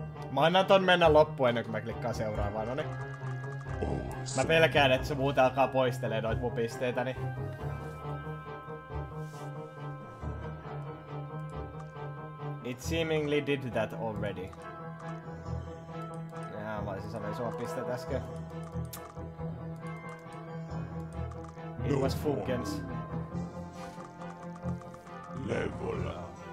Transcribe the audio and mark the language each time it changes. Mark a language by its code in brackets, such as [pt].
[fi] Mä annan ton mennä loppuun ennen kuin mä klikkaan seuraavaan, no niin. [en] Awesome. [fi] Mä pelkään, että se muuten alkaa poistelee noit mun pisteitäni. [en] It seemingly did that already. [fi] Jaa, mä olisin saanut isomman pisteet äsken. [en] It was Fugens. Level up.